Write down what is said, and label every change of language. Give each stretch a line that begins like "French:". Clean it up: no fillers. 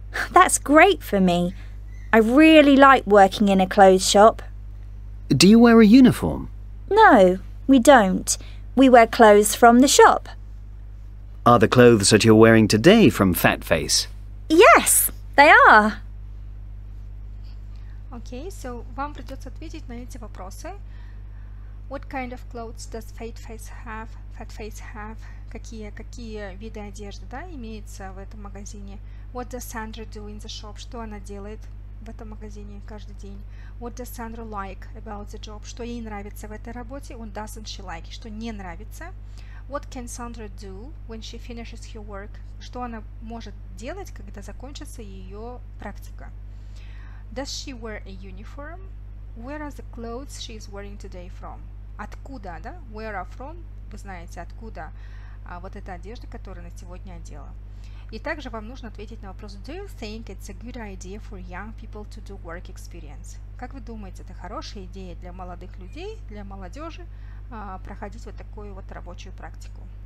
English: That's great for me. I really like working in a clothes shop. Do you wear a uniform? No, we don't. We wear clothes from the shop. Are the clothes that you're wearing today from Fat Face? Yes, they are. Okay, so
Russian: вам придется ответить на эти вопросы.
English: What kind of clothes does Fat Face have?
Russian: Какие виды одежды, да, имеются в этом магазине?
English: What does Sandra do in the shop?
Russian: Что она делает в этом магазине каждый день?
English: What does Sandra like about the job?
Russian: Что ей нравится в этой работе?
English: What doesn't she like?
Russian: Что не нравится?
English: What can Sandra do when she finishes her work?
Russian: Что она может делать, когда закончится ее практика?
English: Does she wear a uniform? Where are the clothes she is wearing today from?
Russian: Откуда, да?
English: Where are from?
Russian: Вы знаете, откуда вот эта одежда, которую она сегодня одела. И также вам нужно ответить на вопрос:
English: Do you think it's a good idea for young people to do work experience?
Russian: Как вы думаете, это хорошая идея для молодых людей, для молодежи проходить вот такую вот рабочую практику?